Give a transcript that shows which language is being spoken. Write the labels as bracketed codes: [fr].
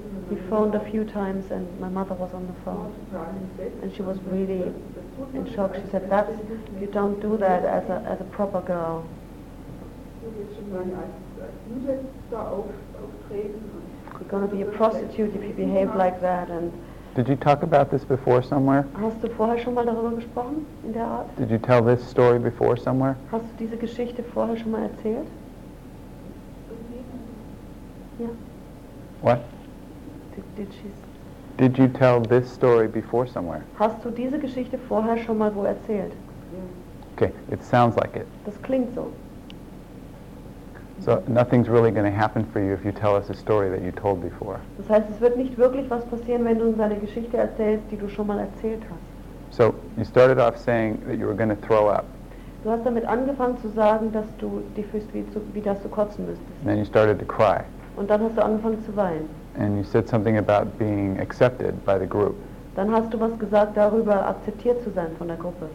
[en] He phoned a few times and my mother was on the phone. And she was really in shock. She said, you don't do that as a proper girl. You're going to be a prostitute if you behave like that. And did you talk about this before somewhere? [de] Hast du vorher schon mal darüber gesprochen in der Art? [en] Did you tell this story before somewhere? [de] Hast du diese Geschichte vorher schon mal erzählt? Ja. [en] What? Did you tell this story before somewhere? [de] Hast du diese Geschichte vorher schon mal wo erzählt? [en] Okay, it sounds like it. [de] Das klingt so. [en] So nothing's really going to happen for you if you tell us a story that you told before. [de] Das heißt, es wird nicht wirklich was passieren, wenn du uns eine Geschichte erzählst, die du schon mal erzählt hast. [en] So you started off saying that you were going to throw up. [de] Du hast damit angefangen zu sagen, dass du dich fühlst, wie dass du kotzen müsstest. [en] Then you started to cry. [de] Und dann hast du angefangen zu weinen. [en] And you said something about being accepted by the group. [de] Dann hast du was gesagt darüber, akzeptiert zu sein von der Gruppe.